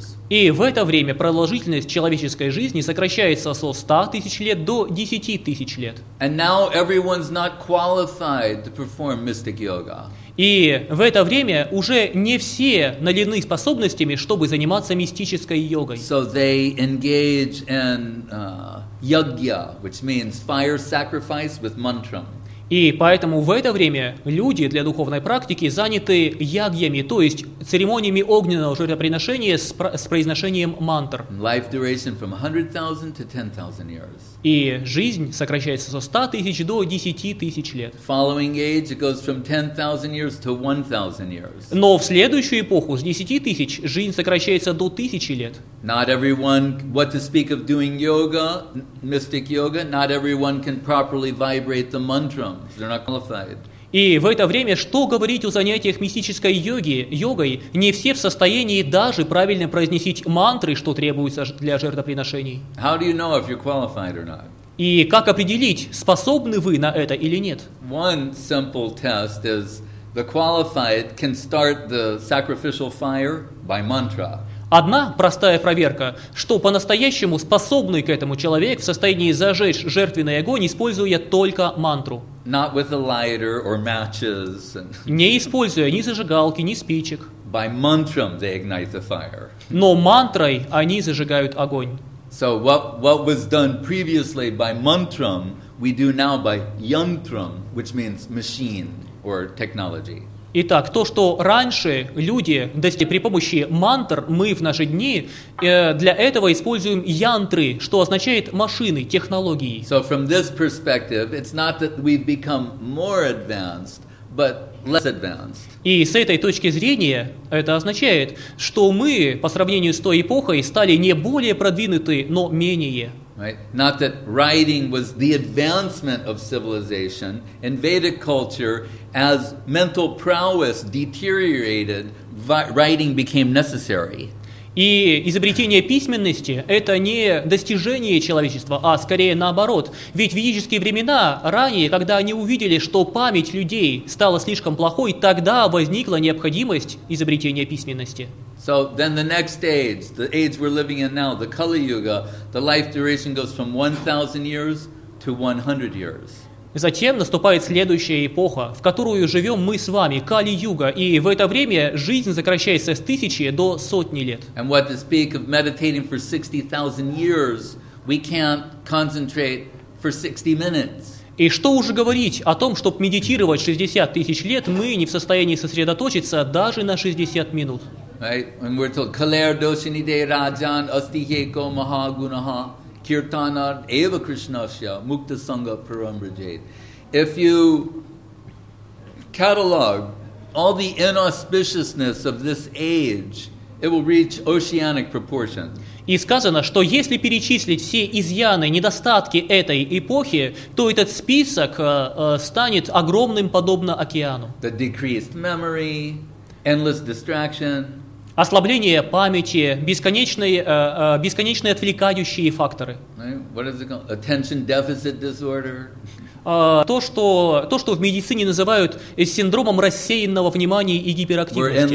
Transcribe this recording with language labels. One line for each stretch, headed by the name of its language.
Russian: И в это время продолжительность человеческой жизни сокращается со 100 тысяч лет до 10 тысяч лет.
English: And now everyone's not qualified to perform mystic yoga.
Russian: И в это время уже не все наделены способностями, чтобы заниматься мистической йогой.
English: So they engage in yagya, which means fire sacrifice with mantram.
Russian: И поэтому в это время люди для духовной практики заняты ягьями, то есть церемониями огненного жертвоприношения с произношением мантр.
English: Life duration from 100,000 to 10,000 years.
Russian: И жизнь сокращается со 100 тысяч до 10 тысяч лет.
English: Following age, it goes from 10,000 years to 1,000 years.
Russian: Но в следующую эпоху с 10 тысяч жизнь сокращается до 1000 лет.
English: Not everyone, what to speak of doing yoga, mystic yoga, not everyone can properly vibrate the mantras. They're not qualified.
Russian: И в это время, что говорить о занятиях мистической йоги, йогой, не все в состоянии даже правильно произнести мантры, что требуется для жертвоприношений.
English: How do you know if you're qualified or not?
Russian: И как определить, способны вы на это или нет?
English: One simple test is the qualified can start the sacrificial fire by mantra.
Russian: Одна простая проверка, что по-настоящему способный к этому человек в состоянии зажечь жертвенный огонь, используя только мантру.
English: Not with a lighter or matches.
Russian: Не используя ни зажигалки, ни спичек.
English: By mantram they ignite the fire.
Russian: Но мантрой они зажигают огонь.
English: So what was done previously by mantram, we do now by yantram, which means machine or technology.
Russian: Итак, то, что раньше люди достигли при помощи мантр, мы в наши дни для этого используем янтры, что означает машины, технологии.
English: So from this perspective, it's not that we've become more advanced, but less advanced.
Russian: И с этой точки зрения это означает, что мы по сравнению с той эпохой стали не более продвинуты, но менее.
English: Right? Not that writing was the advancement of civilization in Vedic culture. As mental prowess deteriorated, writing became necessary.
Russian: И изобретение письменности – это не достижение человечества, а скорее наоборот. Ведь в ведические времена, ранее, когда они увидели, что память людей стала слишком плохой, тогда возникла необходимость изобретения письменности.
English: So then the next age, the age we're living in now, the Kali Yuga, the life duration goes from 1,000 years to 100 years.
Russian: Затем наступает следующая эпоха, в которую живем мы с вами, Кали-юга, и в это время жизнь сокращается с тысячи до сотни лет.
English: And what to speak of meditating for 60,000 years, we can't concentrate for 60 minutes.
Russian: И что уже говорить о том, чтобы медитировать 60 тысяч лет, мы не в состоянии сосредоточиться даже на 60 минут.
English: Right? When we're told
Sanskrit: Kaler Doshinide Rajan Astiheko Mahagunaha. Kirtanar Eva Krishnasya Mukta Sangha Parambrajate.
English: If you catalog all the inauspiciousness of this age, it will reach oceanic proportion.
Russian: И сказано, что если перечислить все изъяны, недостатки этой эпохи, то этот список станет огромным, подобно океану.
English: The decreased memory, endless distraction.
Russian: Ослабление памяти, бесконечные отвлекающие факторы.
English: What is it called? Attention deficit disorder.
Russian: То, что в медицине называют синдромом рассеянного внимания и гиперактивности.